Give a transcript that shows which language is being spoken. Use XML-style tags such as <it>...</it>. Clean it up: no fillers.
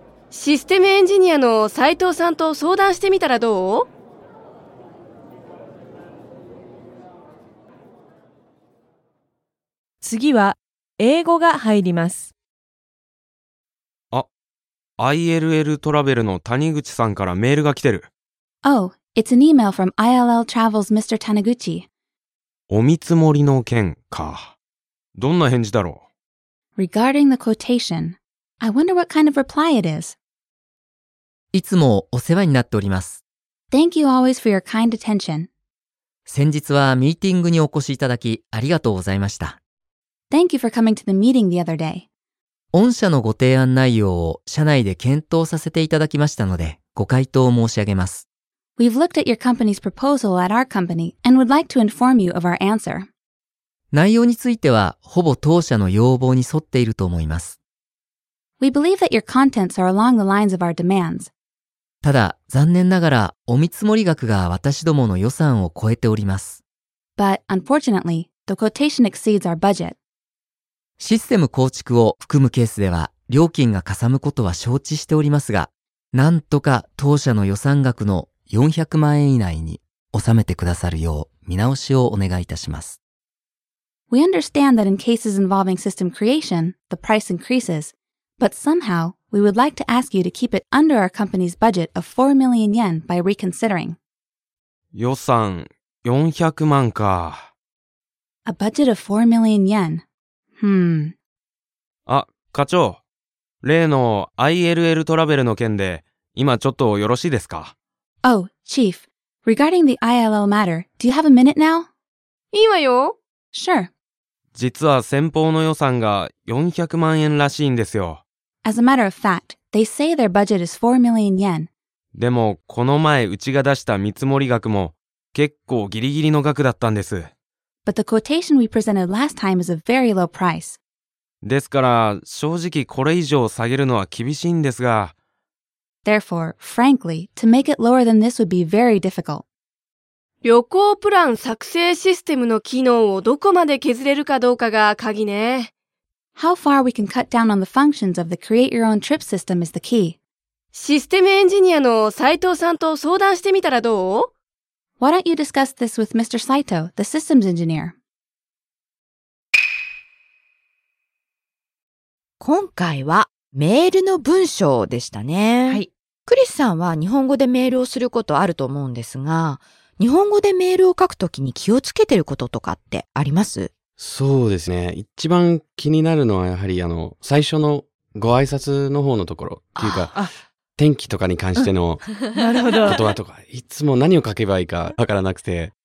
<ja>システムエンジニアの斉藤さんと相談してみたらどう？次は英語が入ります。あ、 ILL トラベルの谷口さんからメールが来てる。</ja> <en>It's an email from ILL Travel's Mr. Taniguchi.</en> <ja>お見積もりの件か。どんな返事だろう。</ja> <en>Regarding the quotation, I wonder what kind of reply it is.</en> <ja>いつもお世話になっております。</ja> <en>Thank you always for your kind attention.</en> <ja>先日はミーティングにお越しいただきありがとうございました。</ja> <en>Thank you for coming to the meeting the other day.</en> <ja>御社のご提案内容を社内で検討させていただきましたので、ご回答を申し上げます。</ja> <en>We've looked at your company's proposal at our company and would like to inform you of our answer.</en> <ja>内容についてはほぼ当社の要望に沿っていると思います。</ja> <en>We believe that your contents are along the lines of our demands.</en> <ja>ただ残念ながらお見積もり額が私どもの予算を超えております。</ja> <en>But unfortunately, the quotation exceeds our budget.</en> <ja>システム構築を含むケースでは料金がかさむことは承知しておりますが、なんとか当社の予算額の400万円以内に収めてくださるよう見直しをお願いいたします。</ja> <en>We understand that in cases involving system creation, the price increases, but somehow we would like to ask you to keep it under our company's budget of 4 million yen by reconsidering.</en> <ja>予算400万か。</ja> <en>A budget of 4 million yen.</en> <ja>あ、課長。例の ILL トラベルの件で、今ちょっとよろしいですか?</ja> <en>Oh, Chief. Regarding the ILL matter, do you have a minute now?</en> <ja>いいわよ。</ja> <en>Sure.</en> <ja>実は先方の予算が400万円らしいんですよ。</ja> <en>As a matter of fact, they say their budget is 4 million yen.</en> <ja>でも、この前うちが出した見積もり額も、結構ギリギリの額だったんです。</ja> <en>But the quotation we presented last time is a very low price.</en> <ja>ですから、正直これ以上下げるのは厳しいんですが。</ja> <en>Therefore, frankly, to make it lower than this would be very difficult.</en> <ja>旅行プラン作成システムの機能をどこまで削れるかどうかが鍵ね。</ja> <en>How far we can cut down on the functions of the create your own trip system is the key.</en> <ja>システムエンジニアの斉藤さんと相談してみたらどう?</ja> <en>Why don't you discuss this with Mr. Saito, the systems engineer?</en> <ja>今回はメールの文章でしたね。はい。クリスさんは日本語でメールをすることあると思うんですが、日本語でメールを書くときに気をつけてることとかってあります? そうですね。一番気になるのはやはり最初のご挨拶の方のところっていうか、天気とかに関しての言葉とか、いつも何を書けばいいかわからなくて。</ja>